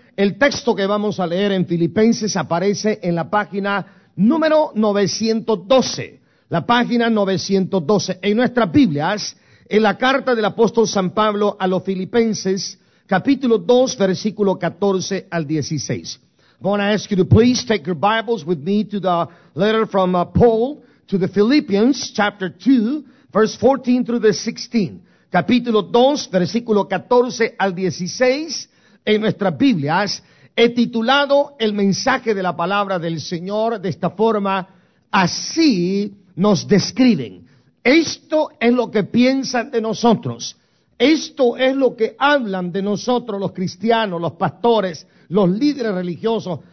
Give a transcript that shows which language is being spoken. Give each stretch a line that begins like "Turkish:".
Spanish: El texto que vamos a leer en Filipenses aparece en la página número 912. La página 912. En nuestras Biblias, en la carta del apóstol San Pablo a los Filipenses, capítulo 2, versículo 14 al 16.
English: I want to ask you to please take your Bibles with me to the letter from Paul to the Philippians, chapter 2, verse 14 through the 16.
Spanish: Capítulo 2, versículo 14 al 16. En nuestras Biblias he titulado el mensaje de la palabra del Señor de esta forma: así nos describen. Esto es lo que piensan de nosotros. Esto es lo que hablan de nosotros los cristianos, los pastores, los líderes religiosos.